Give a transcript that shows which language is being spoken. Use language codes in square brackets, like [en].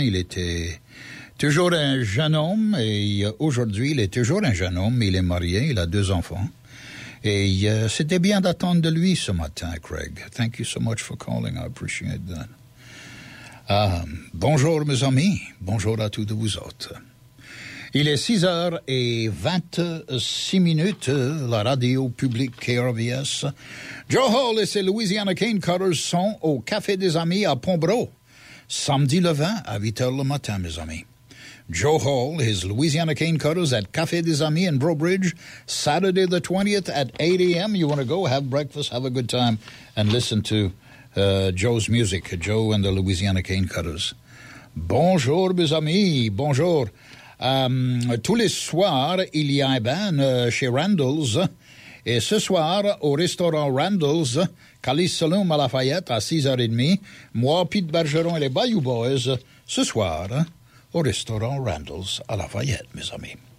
[fr] Il était toujours un jeune homme, et aujourd'hui, il est toujours un jeune homme, il est marié, il a deux enfants. Et c'était bien d'attendre de lui ce matin, Craig. [en] Thank you so much for calling, I appreciate that. [fr] Bonjour, mes amis, bonjour à tous de vous autres. Il est 6h26, la radio publique KRVS. Joe Hall et ses Louisiana Cane Cutters sont au Café des Amis à Pombrot, samedi le 20 à 8h le matin, mes amis. [en] Joe Hall, his Louisiana Cane Cutters at Café des Amis in Brobridge, Saturday the 20th at 8 a.m. You want to go, have breakfast, have a good time, and listen to Joe's music, Joe and the Louisiana Cane Cutters. [fr] Bonjour, mes amis, bonjour. Tous les soirs, il y a un band chez Randall's. Et ce soir, au restaurant Randall's, Calice Saloon à Lafayette, à 6h30, moi, Pete Bergeron et les Bayou Boys, ce soir, au restaurant Randall's à Lafayette, mes amis.